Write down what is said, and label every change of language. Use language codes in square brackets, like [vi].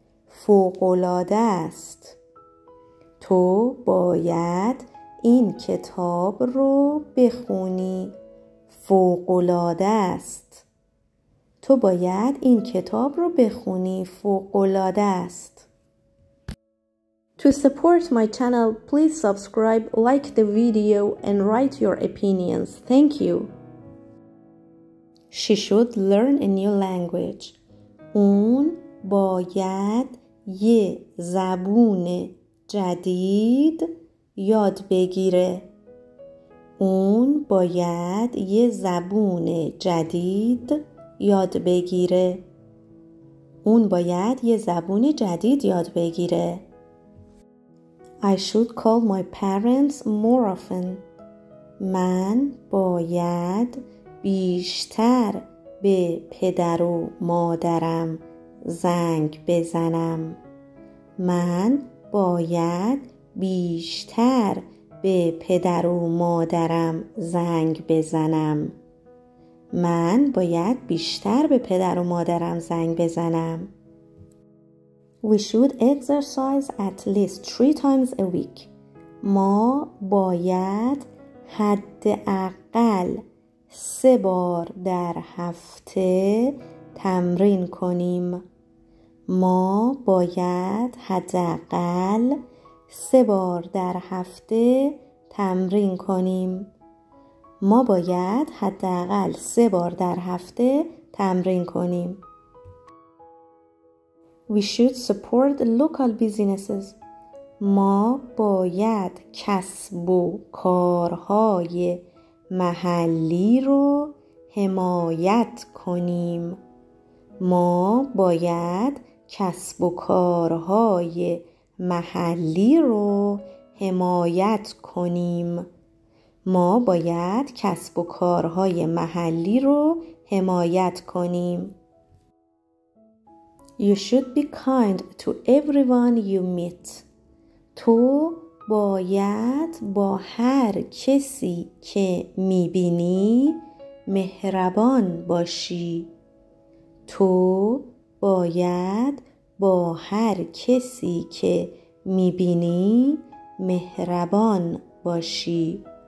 [fa] فوق‌العاده است. تو باید این کتاب رو بخونی. فوق‌العاده است. تو باید این کتاب رو بخونی. فوق‌العاده است. [en] To support my channel, please subscribe, like the video and write your opinions. Thank you. She should learn a new language. [fa] اون باید یه زبون جدید یاد بگیره. اون باید یه زبون جدید یاد بگیره. اون باید یه زبون جدید یاد بگیره. [en] I should call my parents more often. [fa] من باید بیشتر به پدر و مادرم زنگ بزنم. من باید بیشتر به پدر و مادرم زنگ بزنم. من باید بیشتر به پدر و مادرم زنگ بزنم. [en] We should exercise at least 3 times a week. [fa] ما باید حداقل 3 بار در هفته تمرین کنیم. ما باید حداقل 3 بار در هفته تمرین کنیم. ما باید حداقل 3 بار در هفته تمرین کنیم. [en] We should support local businesses. [fa] ما باید کسب و کارهای محلی رو حمایت کنیم. ما باید کسب و کارهای محلی رو حمایت کنیم. ما باید کسب و کارهای محلی رو حمایت کنیم. [en] You should be kind to everyone you meet. [fa] تو باید با هر کسی که میبینی مهربان باشی. تو باید با هر کسی که میبینی مهربان باشی.